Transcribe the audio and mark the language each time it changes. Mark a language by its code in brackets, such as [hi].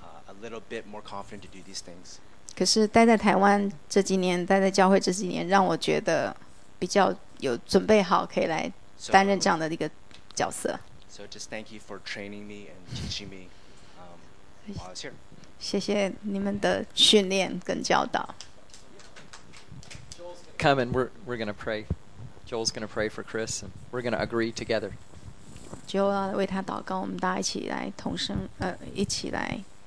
[en] A little bit more confident to do these things. [zh] 可是待在台湾这几年，待在教会这几年，让我觉得比较有准备好，可以来担任这样的一个角色。 [en] So just thank you for training me and teaching me while I was here. [zh] 谢谢你们的训练跟教导。 [en] Come and we're going to pray. Joel's going to pray for Chris, and we're going to agree together. [zh] Joel 要为他祷告，我们大家一起来同声，一起来。